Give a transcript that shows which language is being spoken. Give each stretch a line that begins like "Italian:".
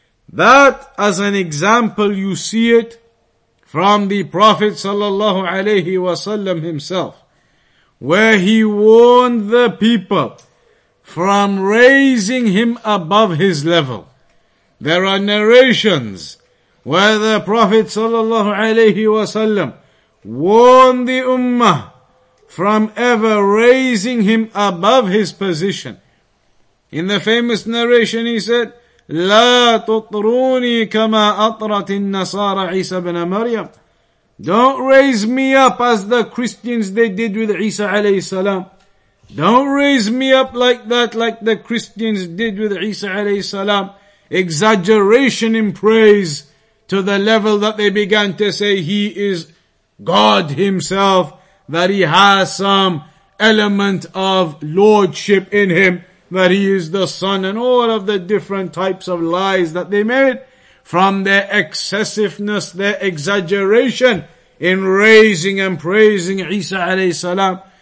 English: That, as an example, you see it from the Prophet sallallahu alayhi wa sallam himself, where he warned the people from raising him above his level. There are narrations where the Prophet sallallahu alayhi wa sallam warned the ummah from ever raising him above his position. In the famous narration he said,
Arabic: لا تطروني كما أطرت النصارى عيسى بن مريم.
English: Don't raise me up as the Christians they did with Isa alayhi salam. Don't raise me up like that, like the Christians did with Isa alayhi salam. Exaggeration in praise, to the level that they began to say he is God himself, that he has some element of lordship in him, that he is the son, and all of the different types of lies that they made from their excessiveness, their exaggeration in raising and praising Isa alayhi salam.